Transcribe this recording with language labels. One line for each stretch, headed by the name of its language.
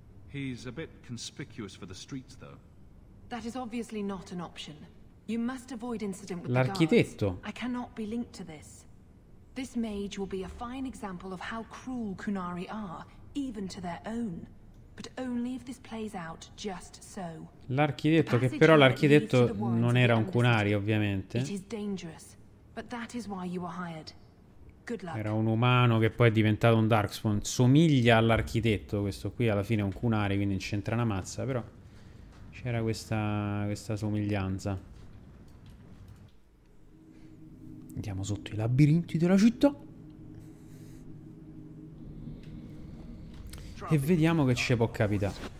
English: He's a bit conspicuous for the streets, though. That is obviously not an option. You must avoid incident with
Italian: l'architetto.
English: I cannot be linked to this. This mage will be a fine example of how cruel Kunari are. Even to their own, but only if this plays out just so.
Italian: L'architetto, che però l'architetto non era un Kunari, ovviamente.
English: It is dangerous, but that is why you were hired.
Italian: Era un umano che poi è diventato un Darkspawn. Somiglia all'architetto questo qui, alla fine è un Kunari, quindi non c'entra una mazza, però c'era questa somiglianza. Andiamo sotto i labirinti della città e vediamo che ci può capitare.